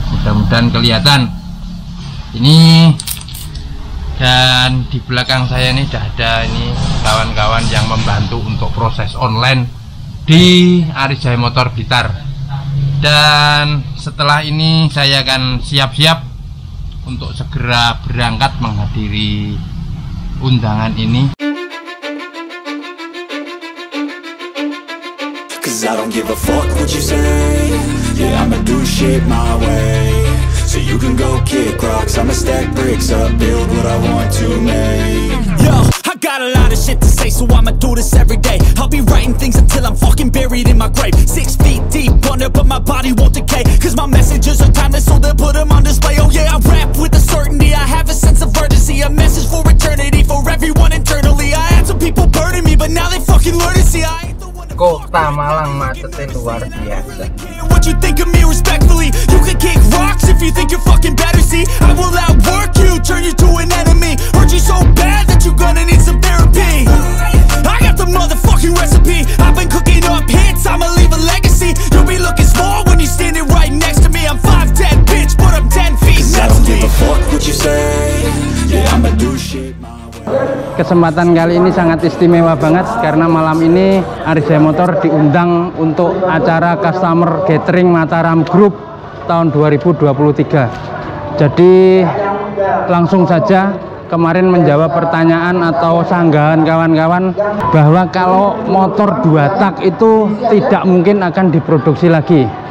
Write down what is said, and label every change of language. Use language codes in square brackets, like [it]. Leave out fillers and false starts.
[id] Mudah-mudahan kelihatan. Ini dan di belakang saya ini sudah ada ini kawan-kawan yang membantu untuk proses online di Arijaya Motor Blitar. Dan setelah ini saya akan siap-siap untuk segera berangkat menghadiri undangan ini. [en] Cause I don't give a fuck what you say. Yeah, I'ma do shit my way. So you can go kick rocks, I'ma stack bricks up, build what I want to make. Yo, I got a lot of shit to say, so I'ma do this every day. I'll be writing things until I'm fucking buried in my grave. 6 feet deep under, but my body won't decay. Cause my messages are timeless, so they'll put them on display. Oh yeah, I rap with a certainty, I have a sense of urgency. A message for eternity, for everyone internally. I had some people burning me, but now they fucking learn to see. I [id] Kota Malang macetnya luar biasa. [en] What you think of me respectfully? You can kick rocks if you think you're fucking better. See, I will outwork you, turn you to an enemy. Hurt you so bad that you're gonna need some therapy. I got the motherfucking recipe. I've been cooking up hits, I'ma leave a legacy. You'll be looking small when you're standing right next to me. I'm 5'10 bitch, but I'm 10 feet next to me. Cause I don't give a fuck what you say. Yeah, I'ma do shit my. [id] Kesempatan kali ini sangat istimewa banget karena malam ini Arijaya Motor diundang untuk acara customer gathering Mataram Group tahun 2023. Jadi langsung saja, kemarin menjawab pertanyaan atau sanggahan kawan-kawan bahwa kalau motor 2 tak itu tidak mungkin akan diproduksi lagi.